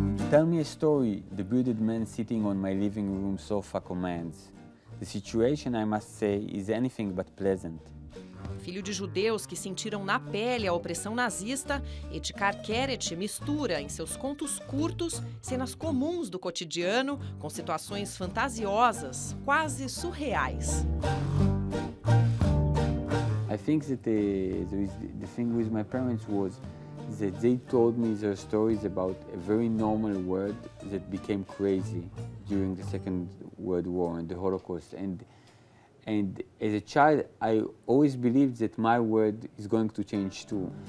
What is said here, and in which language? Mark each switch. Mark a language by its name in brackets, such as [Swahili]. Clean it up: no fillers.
[English] Tell me a story, the bearded man sitting on my living room sofa commands. The situation, I must say, is anything but pleasant. [Portuguese] Filho de judeus que sentiram na pele a opressão nazista, Etgar Keret mistura em seus contos curtos cenas comuns do cotidiano com situações fantasiosas, quase surreais. [English] I think that the thing with my parents was that they told me their stories about a very normal world that became crazy during the Second World War and the Holocaust. And as a child, I always believed that my world is going to change too.